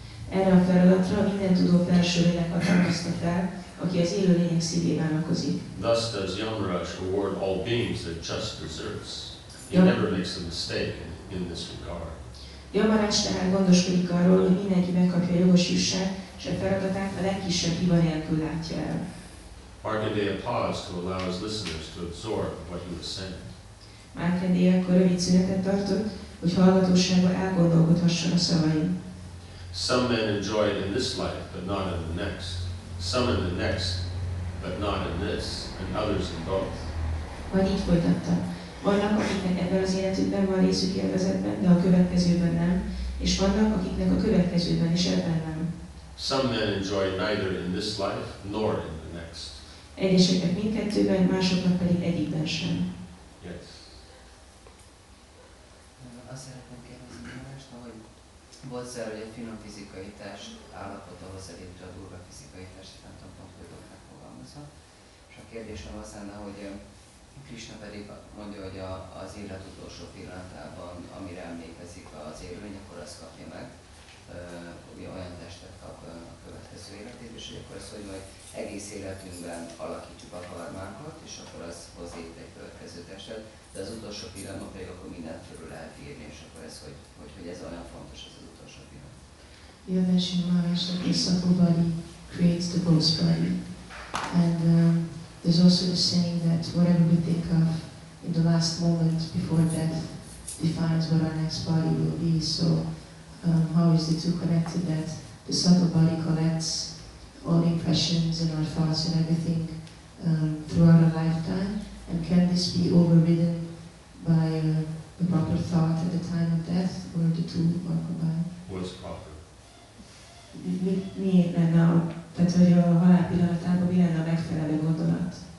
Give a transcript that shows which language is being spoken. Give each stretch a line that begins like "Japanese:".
Hungarian: Erre a feladatra a mindentudó felső lélek hatalmazta fel, aki az élő lények szívében lakozik.
English: Thus does Yamaraj reward all beings their just deserts. He never makes a mistake in this regard.
Hungarian: Yamaraj tehát gondoskodik arról, hogy mindenki megkapja jogos jussát, és a feladatát a legkisebb hiba nélkül látja el.
English: Markandeya paused to allow his listeners to absorb what he was saying.
Hungarian: Markandeya akkor rövid szünetet tartott, hogy hallgatósággal elgondolkodhasson a szavain.
English: Some men enjoy it in this life, but not in the next. Some in the next, but not in this, and others in both.
Hungarian: Majd így folytatta. Vannak, akiknek ebben az életükben van részük élvezetben, de a következőben nem, és vannak, akiknek a következőben is ebben nem.
English: Some men enjoy it neither in this life, nor in the next.
Hungarian: Egyeseket mindkettőben, másoknak pedig egyikben sem.
English: Yes.
Hungarian: Azt szeretném kérdezni Jamarajt, hogy volt szer, hogy a finom fizikai test állapota hoz elérte a durva fizikai test, nem tudom pont, hogy ott megfogalmazza. És a kérdésem az lenne, hogy Krishna pedig mondja, hogy az élet utolsó pillanatában, amire emlékezik az élmény, akkor azt kapja meg, hogy olyan testet kap a következő életét, és akkor azt, hogy majd egész életünkben alakítjuk a karmákat, és akkor az hoz létre egy következő testet, de az utolsó pillanat pedig akkor mindent fölül lehet írni, és akkor ez, hogy ez olyan fontos ez az utolsó pillanat.
English: Yadashi Maharaj, the subtle body creates the gross body. And there's also the saying that whatever we think of in the last moment before death defines what our next body will be. So how is the two connected, that the subtle body collects all impressions and our thoughts and everything throughout a lifetime, and can this be overridden by the proper thought at the time of death, or the two are combined? What's proper?
Hungarian: Mi lenne a, tehát hogy a halál pillanatában mi lenne a megfelelő gondolat?